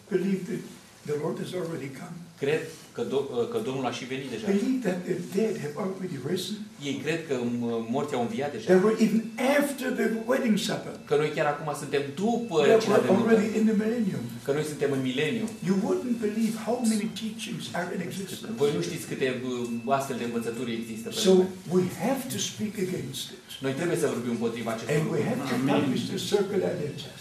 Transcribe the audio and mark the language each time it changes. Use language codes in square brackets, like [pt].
[en] Believe that the Lord has already come. [ro] Cred că Domnul a și venit deja. [en] Believe that the dead have already risen. [ro] Ei cred că morții au înviat deja. [en] They were even after the wedding supper. [ro] Că noi chiar acum suntem după cina de nuntă. [en] Already in the millennium. [ro] Că noi suntem în mileniu. [en] You wouldn't believe how many teachings are in existence. [ro] Voi nu știți câte astfel de învățături există. [en] So we have to speak against it. [ro] Noi trebuie să vorbim împotriva acestui. [en] And we have to publish the circular letters.